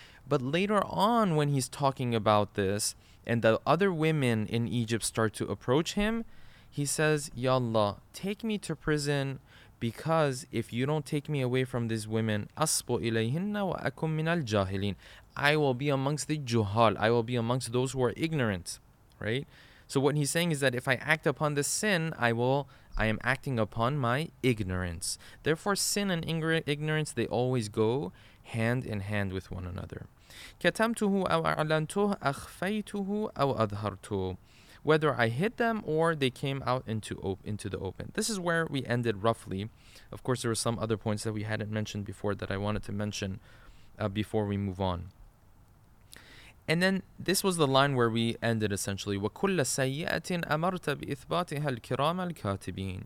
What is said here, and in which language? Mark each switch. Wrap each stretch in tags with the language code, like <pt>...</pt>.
<en>But later on when he's talking about this and the other women in Egypt start to approach him, he says, Ya Allah, take me to prison, because if you don't take me away from these women,</en> <ar>أَصْبُ إِلَيْهِنَّ وَأَكُمْ مِنَ الْجَاهِلِينَ,</ar> <en>I will be amongst the juhal, I will be amongst those who are ignorant, right? So what he's saying is that if I act upon this sin, I am acting upon my ignorance. Therefore, sin and ignorance, they always go hand in hand with one another.</en> <ar>كَتَمْتُهُ أَوْ أَعْلَنْتُهُ أَخْفَيْتُهُ أَوْ أَظْهَرْتُهُ.</ar> <en>Whether I hid them or they came out into the open. This is where we ended roughly. Of course, there were some other points that we hadn't mentioned before that I wanted to mention before we move on. And then this was the line where we ended essentially.</en> <ar>وَكُلَّ سَيِّئَةٍ أَمَرْتَ بِإِثْبَاتِهَا الْكِرَامَ الْكَاتِبِينَ.</ar>